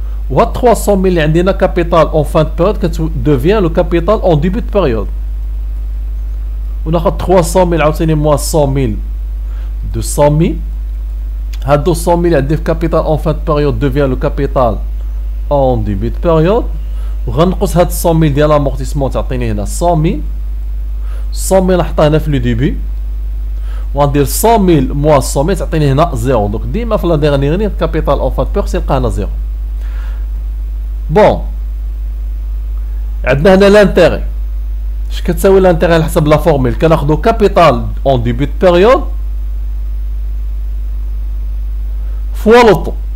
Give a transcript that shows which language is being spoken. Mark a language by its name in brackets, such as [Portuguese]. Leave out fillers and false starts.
[French] Ou 300 000 [Arabic] عندنا [French] capital en fin de période devient le capital en début de période. On a 300 000 [Arabic] عاوتاني [French] moins 100 000 200 000. A 200 000 [Arabic] عندنا [French] capital en fin de période devient le capital en début de période. On va [Arabic] نقص 100 000 ديال l'amortissement تعطيني هنا 100 000. 100 000 حطها هنا في [French] le début. On va dire 100 000 moins 100 000 [Arabic] تعطيني هنا [French] 0. Donc [Arabic] ديما في [French] la dernière année capital en fin de période [Arabic] سيلقى هنا [French] 0. Bon, on a l'intérêt. Je vais faire l'intérêt à la formule. Quand on a le capital en début de période, fois le taux.